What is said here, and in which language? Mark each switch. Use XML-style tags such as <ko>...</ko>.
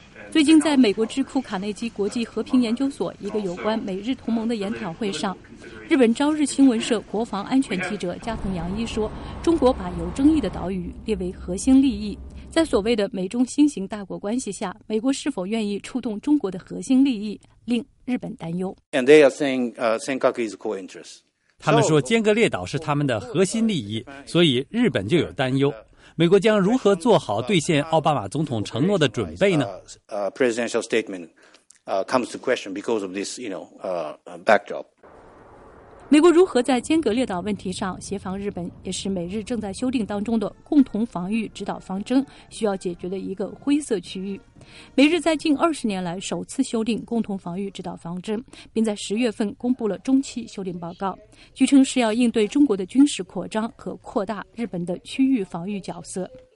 <zh>最近，在美国智库卡内基国际和平研究所一个有关美日同盟的研讨会上，日本朝日新闻社国防安全记者加藤洋一说，中国把有争议的岛屿列为核心利益。在所谓的美中新型大国关系下，美国是否愿意触动中国的核心利益，令日本担忧。</zh> <en>And they are saying, Senkaku is core interest.</en> <zh>他们说尖阁列岛是他们的核心利益，所以日本就有担忧。美国将如何做好兑现奥巴马总统承诺的准备呢？</zh> <en>Presidential statement comes to question because of this, backdrop.</en> <zh>美国如何在尖阁列岛问题上协防日本，也是美日正在修订当中的共同防御指导方针需要解决的一个灰色区域。美日在近20年来首次修订共同防御指导方针，并在10月份公布了中期修订报告，据称是要应对中国的军事扩张和扩大日本的区域防御角色。</zh>